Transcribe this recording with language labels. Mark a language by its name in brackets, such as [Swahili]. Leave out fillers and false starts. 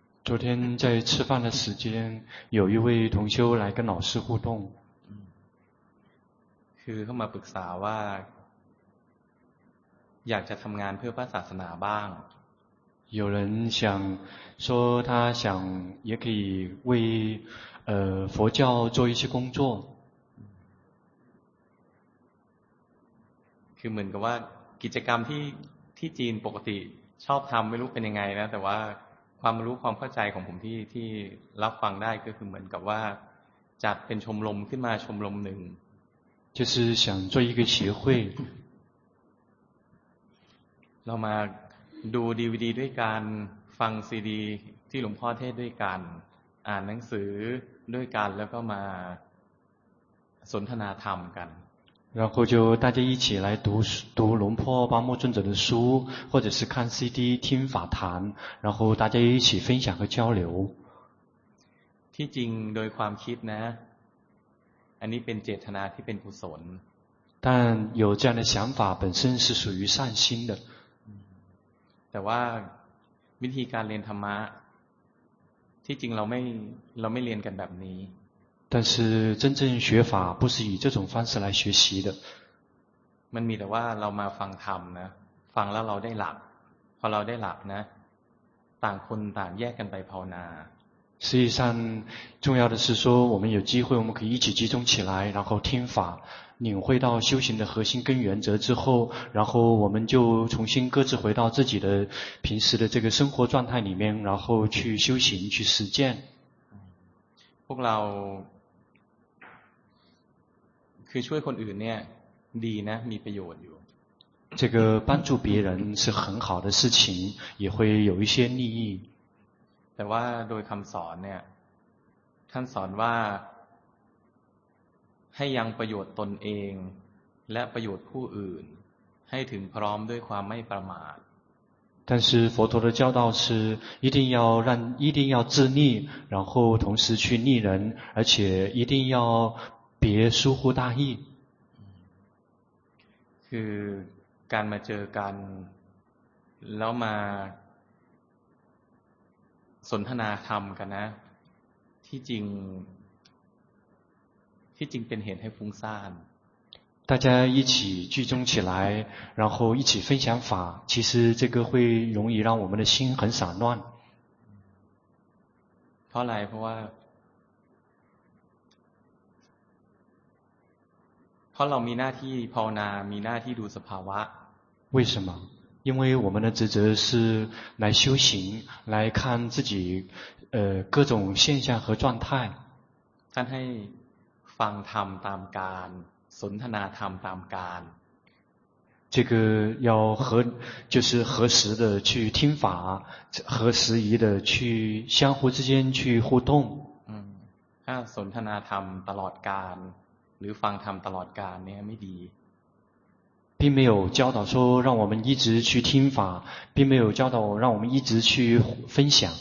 [Chinese] 昨天在吃饭的时间有一位同修来跟老师互动 [Thai] คือเข้ามาปรึกษาว่าอยากจะทำงานเพื่อพระศาสนาบ้าง [Chinese] 有人想说他想也可以为佛教做一些工作 [Thai] คือเหมือนกับว่ากิจกรรมที่จีนปกติชอบทำไม่รู้เป็นยังไงนะแต่ว่าความรู้ความเข้าใจของผมที่รับฟังได้ก็คือเหมือนกับว่าจัดเป็นชมรมขึ้นมาชมรมหนึ่ง [Chinese] 就是想做一个协会 [Thai] เรามาดูดีวีดีด้วยกันฟังซีดีที่หลวงพ่อเทศด้วยกันอ่านหนังสือด้วยกันแล้วก็มาสนทนาธรรมกัน [Chinese] 然后就大家一起来读读龙坡巴木尊者的书，或者是看 CD 听法谈，然后大家一起分享和交流。 [Thai] ที่จริงโดยความคิดนะอันนี้เป็นเจตนาที่เป็นกุศล [Chinese] 但有这样的想法本身是属于善心的 [Thai] แต่ว่าวิธีการเรียนธรรมะที่จริงเราไม่เรียนกันแบบนี้ [Chinese] 但是真正学法不是以这种方式来学习的。 [Thai] มันมีแต่ว่าเรามาฟังธรรมนะฟังแล้วเราได้หลักพอเราได้หลักนะต่างคนต่างแยกกันไปภาวนา [Chinese] 实际上重要的是说我们有机会我们可以一起集中起来然后听法领会到修行的核心跟原则之后然后我们就重新各自回到自己的平时的这个生活状态里面然后去修行去实践 [Thai] พวกเราคือช่วยคนอื่นเนี่ยดีนะมีประโยชน์อยู่ [Chinese] 这个帮助别人是很好的事情也会有一些利益 [Thai] แต่ว่าโดยคำสอนเนี่ยท่านสอนว่าให้ยังประโยชน์ตนเองและประโยชน์ผู้อื่นให้ถึงพร้อมด้วยความไม่ประมาท [Chinese] 但是佛陀的教导是一定要自利然后同时去利人而且一定要别疏忽大意 [Thai] คือการมาเจอกันแล้วมาสนทนาธรรมกันนะที่จริงเป็นเหตุให้ฟุ้งซ่าน [Chinese] 大家一起聚众起来然后一起分享法其实这个会容易让我们的心很散乱 [Thai] เพราะอะไรเพราะว่าเพราะเรามีหน้าที่ภาวนามีหน้าที่ดูสภาวะ [Chinese] 为什么因为我们的职责是来修行来看自己各种现象和状态 [Thai] ท่านให้ฟังธรรมตามการสนทนาธรรมตามการ [Chinese] 这个要合就是合时的去听法合时宜的去相互之间去互动 [Thai] ถ้าสนทนาธรรมตลอดการหรือฟังธรรมตลอดการเนี่ยไม่ดี [Chinese] 并没有教导说让我们一直去听法并没有教导让我们一直去分享